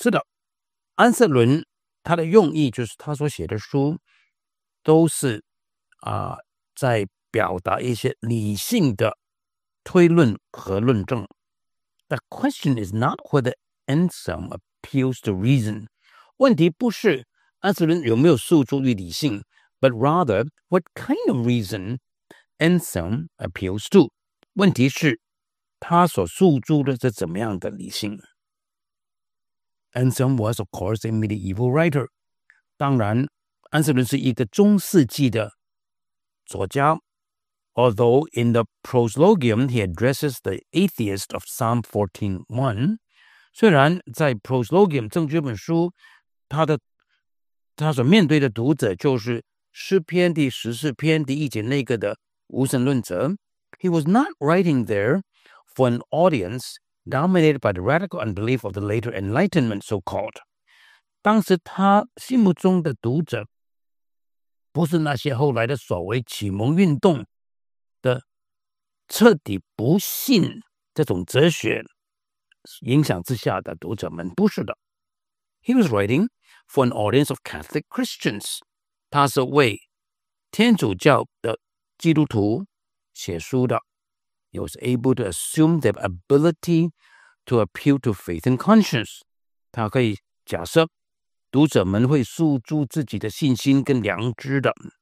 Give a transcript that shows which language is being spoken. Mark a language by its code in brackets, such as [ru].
[zh] 是的，安瑟伦他的用意就是他所写的书都是在表达一些理性的推论和论证。 [en] The question is not whether Anselm appeals to reason. [zh] 问题不是安瑟伦有没有诉诸于理性 [en] But rather, what kind of reason Anselm appeals to? [zh] 问题是他所诉诸的是怎么样的理性 [en] Anselm was, of course, a medieval writer. [zh] 当然安瑟伦是一个中世纪的作家 [en] Although in the Proslogium, he addresses the atheist of Psalm 14:1. [zh] 虽然在 Proslogium, 正这本书他所面对的读者就是诗篇第十四篇第一节那个的无神论者。 [en] He was not writing there for an audience dominated by the radical unbelief of the later Enlightenment, so-called. [zh] 当时他心目中的读者不是那些后来的所谓启蒙运动的彻底不信这种哲学影响之下的读者们，不是的。 [en] He was writing for an audience of Catholic Christians. [zh] 他是为天主教的基督徒写书的。 [en] He was able to assume the ability to appeal to faith and conscience. [zh] 他可以假设读者们会诉诸自己的信心跟良知的。